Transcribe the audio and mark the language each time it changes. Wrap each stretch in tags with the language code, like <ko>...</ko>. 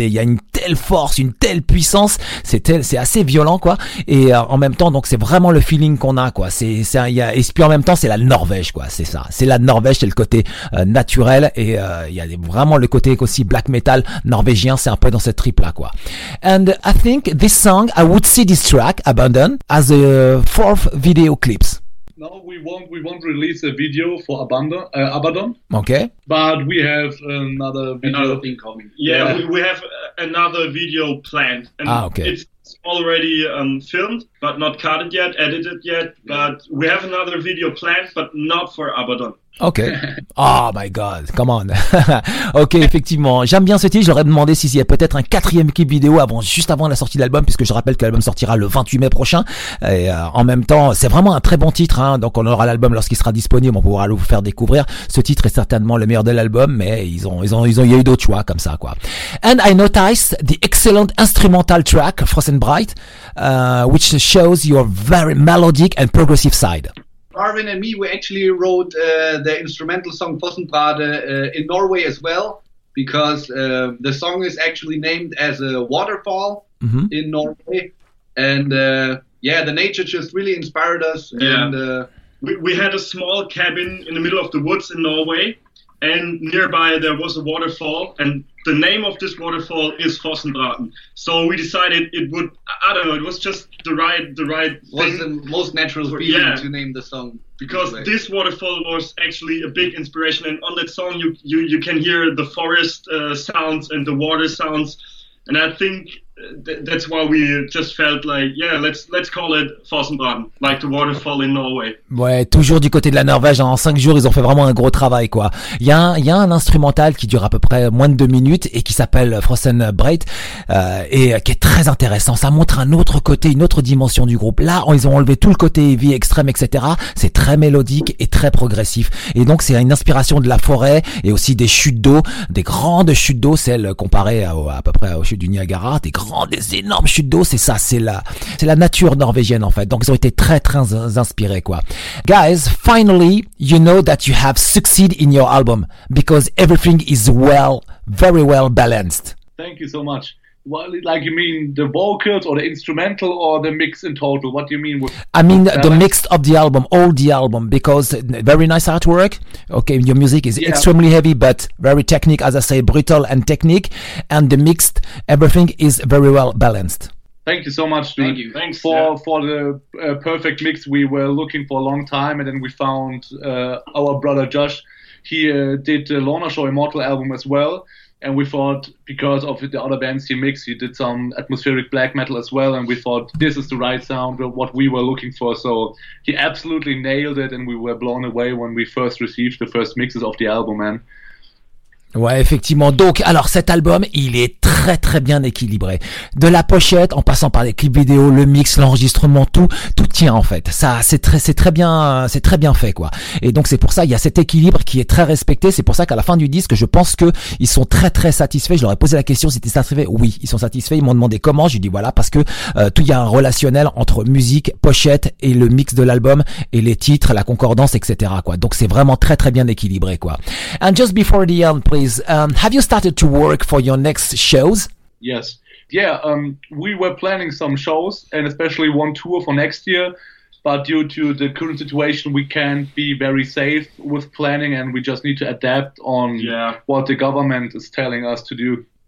<fr>Et il y a une telle force, une telle puissance. C'est assez violent quoi. Et en même temps, donc c'est vraiment le feeling qu'on a quoi. Et puis en même temps, c'est la Norvège quoi. C'est ça. C'est la Norvège. C'est le côté naturel. Et il y a vraiment le côté aussi black metal norvégien. C'est un peu dans cette trip là quoi.</fr> <en>And I think this song, I would see this track, Abaddon, as a fourth video clips. No, we won't release a video for Abaddon. Okay. But we have another video thing coming. Yeah, we have another video planned. And okay. It's it's already filmed, but not cut it yet, edited yet. Yeah. But we have another video planned, but not for Abaddon. Okay. Oh my God, come on. Ok,</en> <fr>effectivement, j'aime bien ce titre. J'aurais demandé s'il y a peut-être un quatrième clip vidéo avant, juste avant la sortie de l'album, puisque je rappelle que l'album sortira le 28 mai prochain. Et en même temps, c'est vraiment un très bon titre, hein. Donc on aura l'album lorsqu'il sera disponible, on pourra le vous faire découvrir. Ce titre est certainement le meilleur de l'album, mais il y a eu d'autres choix comme ça, quoi.</fr> <en>And I noticed the excellent instrumental track Frozen Bright, which shows your very melodic and progressive side. Marvin and me, we actually wrote the instrumental song Fossenbrade in Norway as well, because the song is actually named as a waterfall mm-hmm. in Norway. And yeah, the nature just really inspired us. Yeah. And we had a small cabin in the middle of the woods in Norway, and nearby there was a waterfall, and the name of this waterfall is Fossenbraten. So we decided it would, I don't know, it was just the right thing. Was the most natural feeling yeah. to name the song. Because this waterfall was actually a big inspiration, and on that song you can hear the forest sounds and the water sounds, and I think that's why we just felt like, yeah, let's call it Fossenbraten, like the waterfall in Norway.</en> <fr>Ouais, toujours du côté de la Norvège. En 5 jours, ils ont fait vraiment un gros travail, quoi. Il y a un instrumental qui dure à peu près moins de 2 minutes et qui s'appelle Frozen Bright, et qui est très intéressant. Ça montre un autre côté, une autre dimension du groupe. Là, ils ont enlevé tout le côté heavy, extrême, etc. C'est très mélodique et très progressif. Et donc, c'est une inspiration de la forêt et aussi des chutes d'eau, des grandes chutes d'eau, celles comparées à peu près aux chutes du Niagara. Des énormes chutes d'eau, c'est ça, c'est la nature norvégienne en fait. Donc ils ont été très très inspirés, quoi.</fr> <en>Guys, finally, you know that you have succeeded in your album because everything is well, very well balanced. Thank you so much. Well, like you mean the vocals or the instrumental or the mix in total? What do you mean? The mix of the album, all the album, because very nice artwork. Okay, your music is yeah. extremely heavy, but very technique, as I say, brutal and technique. And the mixed, everything is very well balanced. Thank you so much, dude. Thank you. Thanks for the perfect mix we were looking for a long time. And then we found our brother Josh. He did the Lorna Shore Immortal album as well. And we thought, because of the other bands he mixed, he did some atmospheric black metal as well. And we thought, this is the right sound, what we were looking for. So he absolutely nailed it. And we were blown away when we first received the first mixes of the album, man.</en> <fr>Ouais, effectivement. Donc, alors, cet album, il est très, très bien équilibré. De la pochette, en passant par les clips vidéo, le mix, l'enregistrement, tout tient, en fait. Ça, c'est très bien fait, quoi. Et donc, c'est pour ça, il y a cet équilibre qui est très respecté. C'est pour ça qu'à la fin du disque, je pense que ils sont très, très satisfaits. Je leur ai posé la question s'ils étaient satisfaits. Oui, ils sont satisfaits. Ils m'ont demandé comment. J'ai dit voilà, parce que, tout, il y a un relationnel entre musique, pochette et le mix de l'album et les titres, la concordance, etc., quoi. Donc, c'est vraiment très, très bien équilibré, quoi.</fr> <en>And just before the end, please. Have you started to work for your next shows? Yes. Yeah, we were planning some shows, and especially one tour for next year. But due to the current situation, we can't be very safe with planning, and we just need to adapt on what the government is telling us to do.</en>